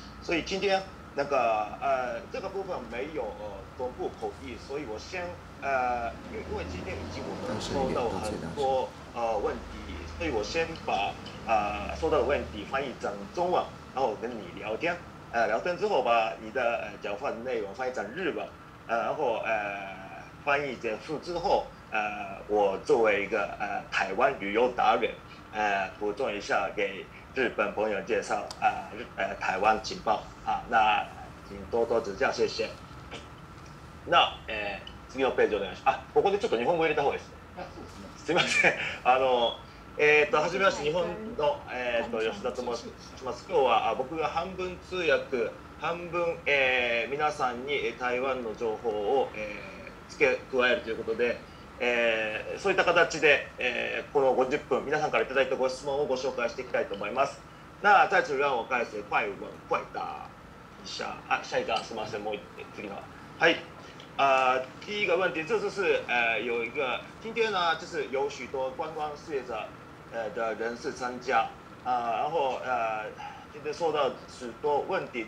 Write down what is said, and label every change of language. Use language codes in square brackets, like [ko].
[zh] 所以今天那个这个部分没有中部口译，所以我先因为今天已经我们收到很多问题，所以我先把收到的问题翻译成中文，然后跟你聊天，聊天之后把你的讲话的内容翻译成日文，然后翻译结束之后，我作为一个台湾旅游达人，补充一下给日本朋友介绍台湾情报啊，那请多多指教，谢谢。 [ja] 那次のページお願いします。あ、ここでちょっと日本語入れた方がいいです。すみません。あの、はじめまして、日本の吉田と申します。今日は僕が半分通訳、半分皆さんに台湾の情報を付け加えるということで。そういった形で、この50分皆さんからいただいたご質問をご紹介していきたいと思います。 [zh] 那再次让我开始快问快答一下。啊，下一个是吗？什么？这个？嗨，第一个问题，这就是有一个今天呢，就是有许多观光事业者的人士参加啊，然后今天收到许多问题。